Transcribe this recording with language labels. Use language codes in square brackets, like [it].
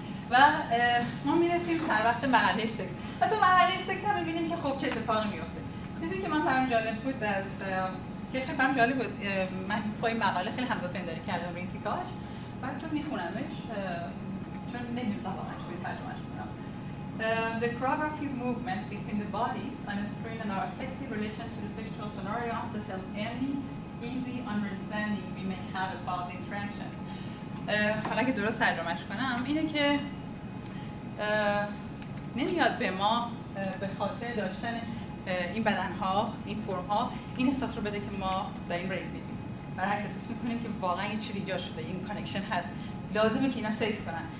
[fa] و ما میرسیم سر وقت مرحله سکس، و تو مرحله سکس هم میبینیم که خب چه اتفاقی میفته. چیزی که من برام جالب بود از که خیلی برام جالب بود، من پای مقاله خیلی همزاد پنداری کردم روی این تیکاش، بعد تو میخونمش چون نمیدونم واقعا چطوری ترجمه‌اش کنم. [en] The choreography of movement between the body and a screen and our affective relation to the sexual scenario answers any easy understanding we may have about the interaction. [fa] حالا که درست ترجمهش کنم اینه که نمیاد به ما به خاطر داشتن این بدنها، این فرمها، این احساس رو بده که ما داریم ریپ میبینیم، برعکس احساس میکنیم که واقعا یه چیزی جا شده، این کانکشن هست، لازمه که اینا سکس کنن.